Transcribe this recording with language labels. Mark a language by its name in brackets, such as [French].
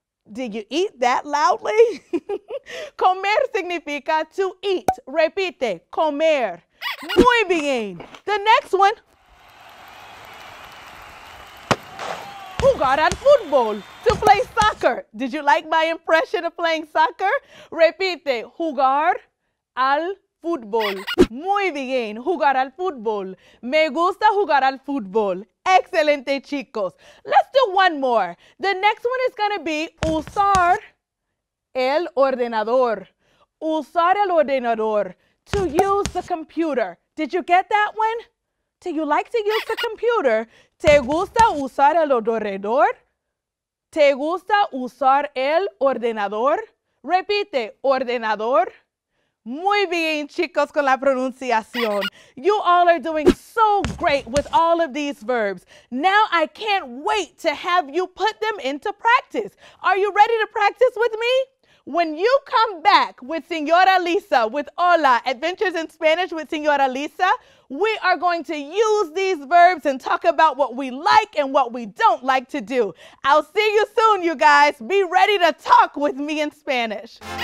[English] Did you eat that loudly? [Spanish] Comer significa [English] to eat. [Spanish] Repite, comer. Muy bien. [English] The next one. [Spanish] Jugar al fútbol, [English] to play soccer. Did you like my impression of playing soccer? [Spanish] Repite, jugar al fútbol. Muy bien, jugar al fútbol. Me gusta jugar al fútbol. Excelente, chicos. [English] Let's do one more. The next one is gonna be [Spanish] usar el ordenador. Usar el ordenador, [English] to use the computer. Did you get that one? Do you like to use the computer? [Spanish] ¿Te gusta usar el ordenador? ¿Te gusta usar el ordenador? Repite, ordenador. Muy bien, chicos, con la pronunciación. [English] You all are doing so great with all of these verbs. Now I can't wait to have you put them into practice. Are you ready to practice with me? When you come back with Señora Lisa, with Hola Adventures in Spanish with Señora Lisa, we are going to use these verbs and talk about what we like and what we don't like to do. I'll see you soon, you guys. Be ready to talk with me in Spanish.